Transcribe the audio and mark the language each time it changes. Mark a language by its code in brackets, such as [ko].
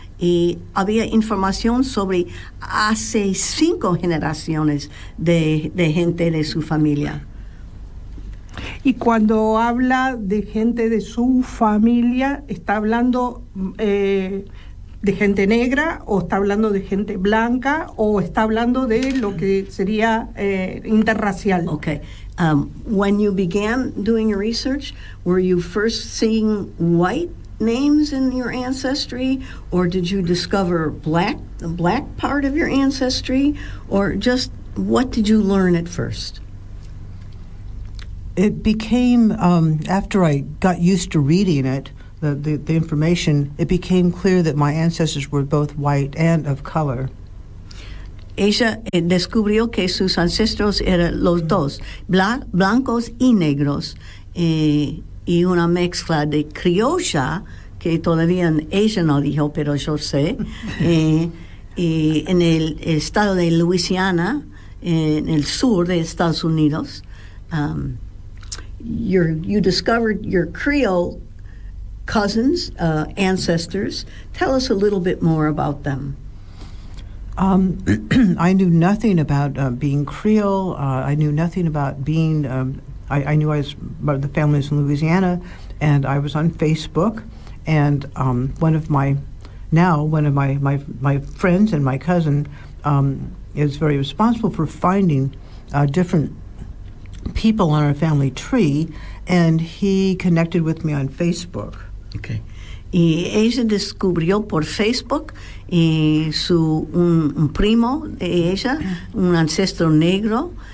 [es] Y había información sobre hace 5 generaciones de gente de su familia. Y cuando habla de gente de su familia, ¿está hablando de gente negra o está hablando de gente blanca o está hablando de lo que sería interracial? [en] Okay. When you began doing your research, were you first seeing white names in your ancestry, or did you discover the black part of your ancestry, or just what did you learn at first? It became after I got used to reading it, the information, it became clear that my ancestors were both white and of color. [es] Ella descubrió que sus ancestros eran los dos, blancos y negros, y una mezcla de criolla, que todavía ella no dijo, pero yo sé, en el estado de Louisiana, en el sur de Estados Unidos. [en] You discovered your Creole cousins, ancestors. Tell us a little bit more about them. I knew nothing about being Creole. I knew nothing about being... I knew I was part of the families in Louisiana, and I was on Facebook, and one of my friends and my cousin is very responsible for finding different people on our family tree, and he connected with me on Facebook. Okay. [es] Y ella descubrió por Facebook un primo de ella, un ancestro negro.